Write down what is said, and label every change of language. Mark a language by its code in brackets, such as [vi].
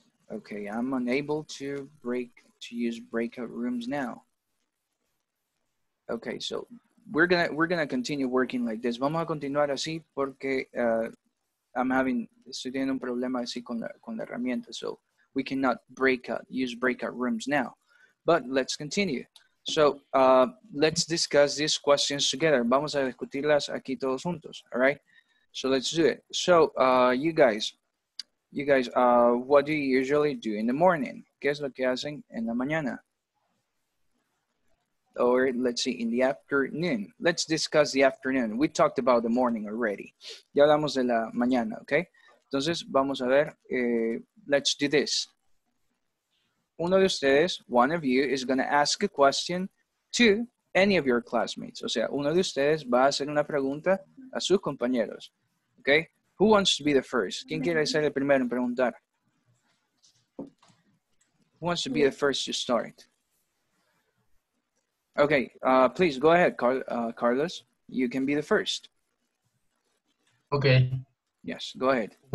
[en] Okay, I'm unable to use breakout rooms now. Okay, so we're gonna continue working like this. [es] Vamos a continuar así porque estoy teniendo un problema así con la herramienta. [en] So we cannot use breakout rooms now. But let's continue. So let's discuss these questions together. [es] Vamos a discutirlas aquí todos juntos. [en] All right. So let's do it. So you guys, what do you usually do in the morning? [es] ¿Qué es lo que hacen en la mañana? [en] Or let's see, in the afternoon. Let's discuss the afternoon. We talked about the morning already. [es] Ya hablamos de la mañana, [en] okay? [es] Entonces, vamos a ver, [en] let's do this. [es] Uno de ustedes, [en] one of you, is gonna ask a question to any of your classmates. [es] O sea, uno de ustedes va a hacer una pregunta a sus compañeros, okay? [en] Who wants to be the first? [es] ¿Quién quiere ser el primero en preguntar? [en] Who wants to be the first to start? Okay, please go ahead, Carlos. You can be the first. Okay. Yes, go ahead.